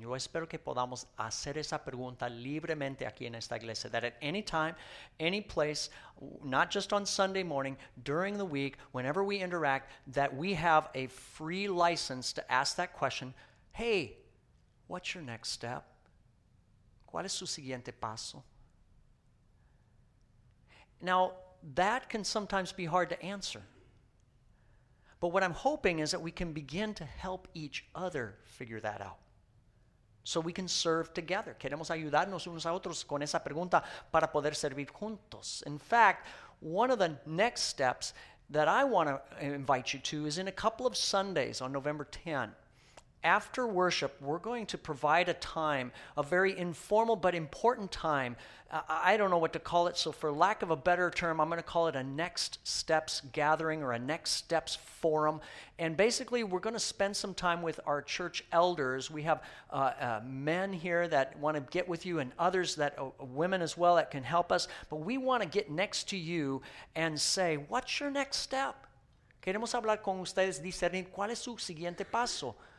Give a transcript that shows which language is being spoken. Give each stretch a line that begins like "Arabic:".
Spanish: Yo espero que podamos hacer esa pregunta libremente aquí en esta iglesia,
English: that at any time, any place, not just on Sunday morning, during the week, whenever we interact, that we have a free license to ask that question, hey, what's your next step?
Spanish: ¿Cuál es su siguiente paso?
English: Now, that can sometimes be hard to answer. But what I'm hoping is that we can begin to help each other figure that out. So we can serve together.
Spanish: Queremos ayudarnos unos a otros con esa pregunta para poder servir juntos.
English: In fact, one of the next steps that I want to invite you to is in a couple of Sundays on November 10th. After worship, we're going to provide a time, a very informal but important time. I don't know what to call it, so for lack of a better term, I'm going to call it a Next Steps gathering or a Next Steps forum. And basically, we're going to spend some time with our church elders. We have men here that want to get with you and others, that women as well, that can help us. But we want to get next to you and say, what's your next step?
Spanish: Queremos hablar con ustedes, discernir cuál es su siguiente paso.